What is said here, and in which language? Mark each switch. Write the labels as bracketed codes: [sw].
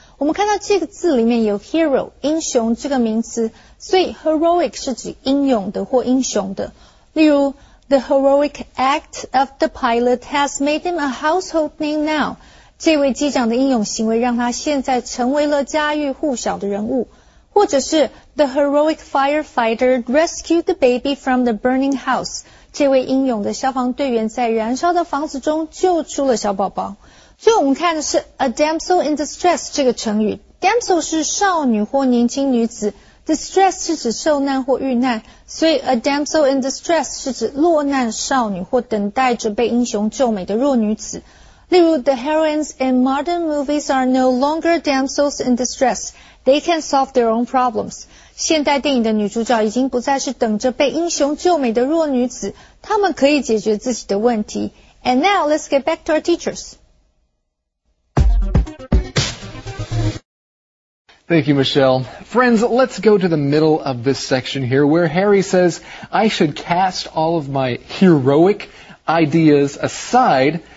[zh] 我们看到这个字里面有 hero, 英雄这个名词。所以 heroic 是指英勇的或英雄的。例如 [en] The heroic act of the pilot has made him a household name now. [zh] 这位机长的英勇行为让他现在成为了家喻户晓的人物。或者是 [en] The heroic firefighter rescued the baby from the burning house. [zh] 这位英勇的消防队员在燃烧的房子中救出了小宝宝。所以我们看的是 a damsel in distress 这个成语。 damsel 是少女或年轻女子， distress 是指受难或遇难，所以 a damsel in distress 是指落难少女或等待着被英雄救美的弱女子。例如 [en] the heroines in modern movies are no longer damsels in distress. They can solve their own problems. [zh] 现代电影的女主角已经不再是等着被英雄救美的弱女子，她们可以解决自己的问题。 [en] And now let's get back to our teachers. Thank you, Michelle. Friends, let's go to the middle of this section here where Harry says, I should cast all of my heroic ideas aside.